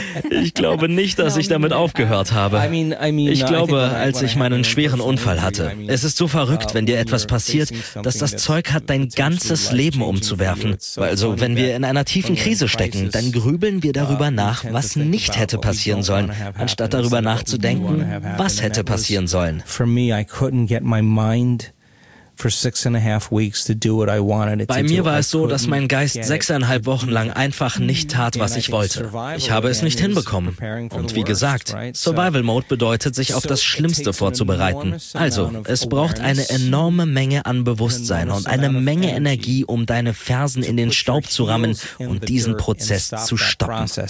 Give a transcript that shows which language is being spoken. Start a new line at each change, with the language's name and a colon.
German: Ich glaube nicht, dass ich damit aufgehört habe. Ich glaube, als ich meinen schweren Unfall hatte. Es ist so verrückt, wenn dir etwas passiert, dass das Zeug hat, dein ganzes Leben umzuwerfen. Also, wenn wir in einer tiefen Krise stecken, dann grübeln wir darüber nach, was nicht hätte passieren sollen, anstatt darüber nachzudenken, was hätte passieren sollen.
English: For me, I couldn't get my mind
German: Bei mir war es so, dass mein Geist 6,5 Wochen lang einfach nicht tat, was ich wollte. Ich habe es nicht hinbekommen. Und wie gesagt, Survival Mode bedeutet, sich auf das Schlimmste vorzubereiten. Also, es braucht eine enorme Menge an Bewusstsein und eine Menge Energie, um deine Fersen in den Staub zu rammen und diesen Prozess zu stoppen.